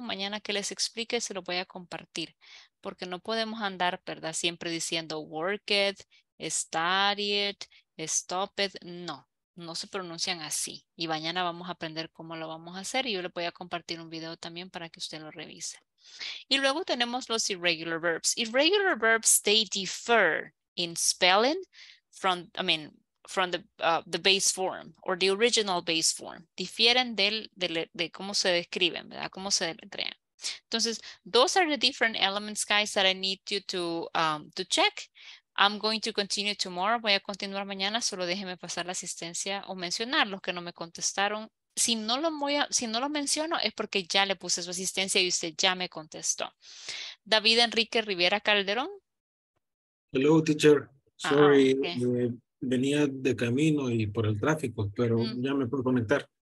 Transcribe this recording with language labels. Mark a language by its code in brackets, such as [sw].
[es] Mañana que les explique se lo voy a compartir. Porque no podemos andar, ¿verdad? Siempre diciendo worked, studied, stopped. No, no se pronuncian así. Y mañana vamos a aprender cómo lo vamos a hacer. Y yo le voy a compartir un video también para que usted lo revise. Y luego tenemos los irregular verbs. [en] Irregular verbs, they differ in spelling from, I mean, from the base form or the original base form. [es] Difieren de cómo se describen, ¿verdad? Cómo se deletrean. [en] Entonces, those are the different elements, guys, that I need you to check. I'm going to continue tomorrow. Voy a continuar mañana. [es] Solo déjeme pasar la asistencia o mencionar los que no me contestaron. Si no lo menciono es porque ya le puse su asistencia y usted ya me contestó. David Enrique Rivera Calderón. [en] Hello, teacher. [es] Sorry, venía de camino y por el tráfico, pero ya me puedo conectar.